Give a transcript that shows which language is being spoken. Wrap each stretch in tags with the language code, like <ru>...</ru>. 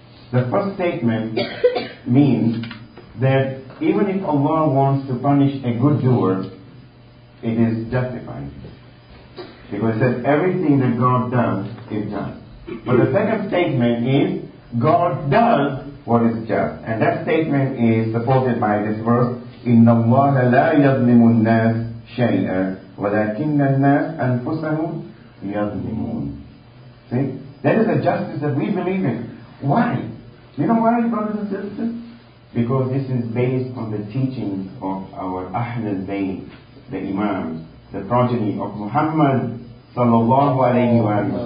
<en>The first statement means that even if Allah wants to punish a good doer, it is justified. Because it says everything that God does is done. But the second statement is God does what is just. And that statement is supported by this verse,</en> <ar>إِنَّ اللَّهَ لَا يَظْلِمُ النَّاسِ شَيْئًا وَلَكِنَّ النَّاسِ أَنفُسَهُمْ يَظْلِمُونَ.</ar> <en>See? That is a justice that we believe in. Why? You know why, brothers and sisters? Because this is based on the teachings of our Ahlul Bayt, the Imams, the progeny of Muhammad sallallahu alayhi wa</en>